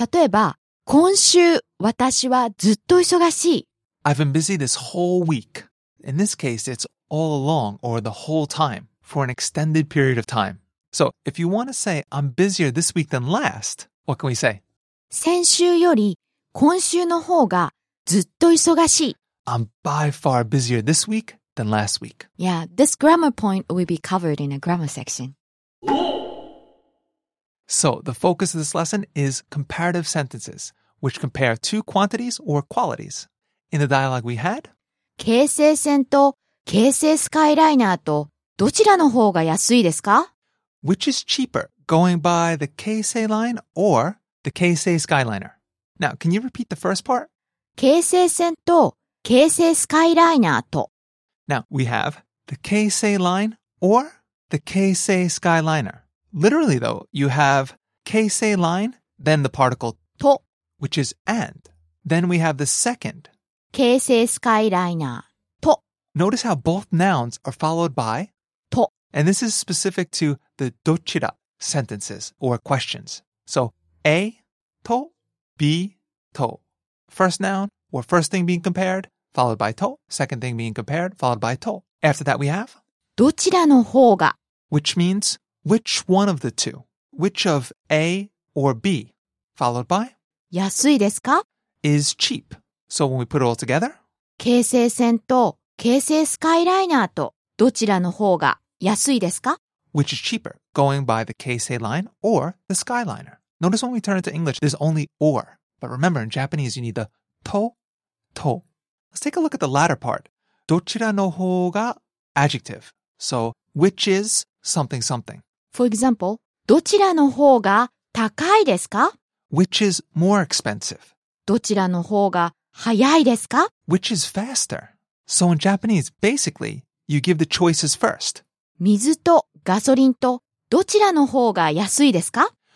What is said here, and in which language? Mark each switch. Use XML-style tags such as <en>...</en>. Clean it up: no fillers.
<ja>例えば、今週私はずっと忙しい。</ja> <en>I've been busy this whole week. In this case, it's all along or the whole time. For an extended period of time. So, if you want to say, I'm busier this week than last, what can we say?</en> <ja>先週より今週の方がずっと忙しい。</ja> <en>I'm by far busier this week than last week. Yeah, this grammar point will be covered in a grammar section. So, the focus of this lesson is comparative sentences, which compare two quantities or qualities. In the dialogue we had,</en> <ja>京成線と京成スカイライナーとどちらの方が安いですか?</ja> <en>Which is cheaper, going by the Keisei line or the Keisei Skyliner? Now, can you repeat the first part?</en> <ja>京成線と京成スカイライナーと。</ja> <en>Now, we have the Keisei line or the Keisei Skyliner. Literally though, you have Keisei line, then the particle</en> <ja>と,</ja> <en>which is and. Then we have the second.</en> <ja>京成スカイライナーと。</ja> <en>Notice how both nouns are followed by And this is specific to the どちら sentences or questions. So, A と B と. First noun or first thing being compared, followed by と.Second thing being compared, followed by と.After that we have</en> <ja>どちらの方が.</ja> <en>Which means, which one of the two? Which of A or B? Followed by</en> <ja>安いですか?</ja> <en>Is cheap. So when we put it all together</en> <ja>京成線と京成スカイライナーとどちらの方が安いですか?</ja> <en>Which is cheaper, going by the Keisei line or the Skyliner? Notice when we turn it to English, there's only or. But remember, in Japanese, you need the to, to. Let's take a look at the latter part.</en> <ja>どちらの方が</ja> <en>adjective. So, which is something something. For example,</en> <ja>どちらの方が高いですか?</ja> <en>Which is more expensive.</en> <ja>どちらの方が早いですか?</ja> <en>Which is faster. So, in Japanese, basically, you give the choices first.</en> <ja>水とガソリンとどちらの方が安いですか?</ja>